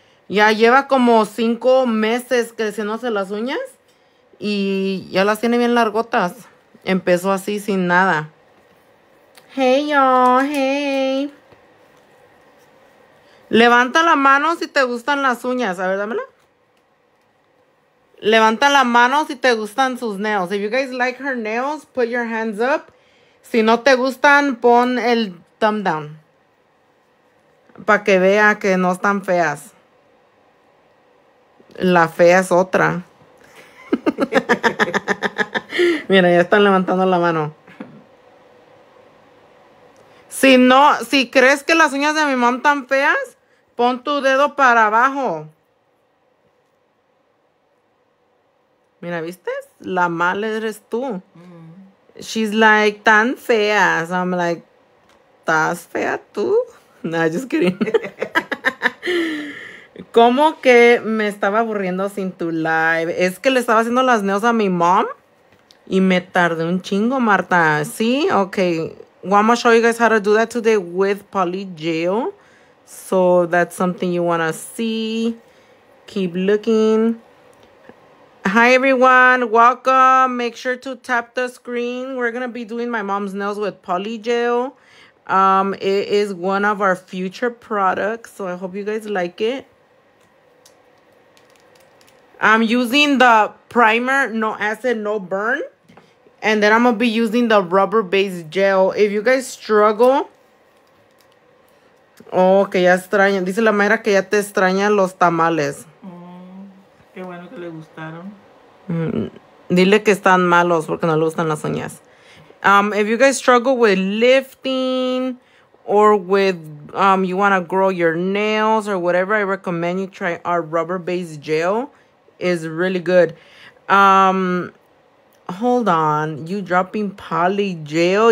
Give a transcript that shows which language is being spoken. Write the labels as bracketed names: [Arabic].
[Spanish] Ya lleva como 5 meses creciéndose las uñas y ya las tiene bien largotas. Empezó así sin nada. [English] Hey, y'all, hey. [Spanish] Levanta la mano si te gustan las uñas. A ver, dámela. Levanta la mano si te gustan sus nails. [English] If you guys like her nails, put your hands up. [Spanish] Si no te gustan, pon el [English] thumb down. [Spanish] Para que vea que no están feas. La fea es otra. Mira, ya están levantando la mano. Si no, si crees que las uñas de mi mamá están feas, pon tu dedo para abajo. Mira, ¿viste? La mala eres tú. [English] She's like, [Spanish] tan feas. [English] I'm like, [Spanish] ¿estás fea tú? [English] Nah, just kidding. [Spanish] ¿Cómo que me estaba aburriendo sin tu live? Es que le estaba haciendo las nails a mi mom y me tardé un chingo, Marta. Sí, ok. [English] Well, I'm gonna show you guys how to do that today with poly gel. So that's something you wanna see. Keep looking. Hi, everyone. Welcome. Make sure to tap the screen. We're gonna be doing my mom's nails with poly gel. It is one of our future products. So I hope you guys like it. I'm using the primer, no acid, no burn. And then I'm going to be using the rubber-based gel. If you guys struggle. [Spanish] Oh, que ya extraña. Dice la Mayra que ya te extrañan los tamales. Oh, qué bueno que le gustaron. Dile que están malos porque no le gustan las uñas. [English] If you guys struggle with lifting or with you want to grow your nails or whatever, I recommend you try our rubber-based gel. Is really good. Hold on, you dropping poly gel?